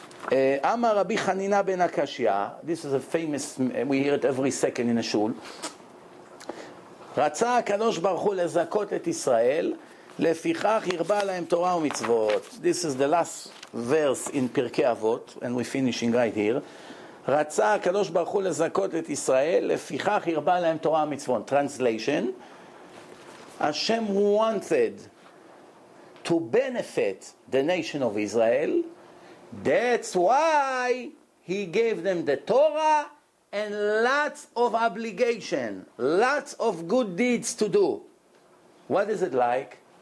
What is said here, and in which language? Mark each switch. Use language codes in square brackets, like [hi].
[en] Amar Rabbi Chanina ben Akashia, this is a famous, we hear it every second in a shul. [he] Ratzah HaKadosh Baruch Hu lezakot et Yisrael, לפיכך ירבה להם תורה ומצוות. [en] This is the last verse in Pirkei Avot, and we're finishing right here. [he] רצה הקדוש ברוך הוא לזכות את ישראל, לפיכך ירבה להם תורה ומצוות. [en] Translation, Hashem wanted to benefit the nation of Israel. That's why he gave them the Torah and lots of obligation, lots of good deeds to do. What is it like?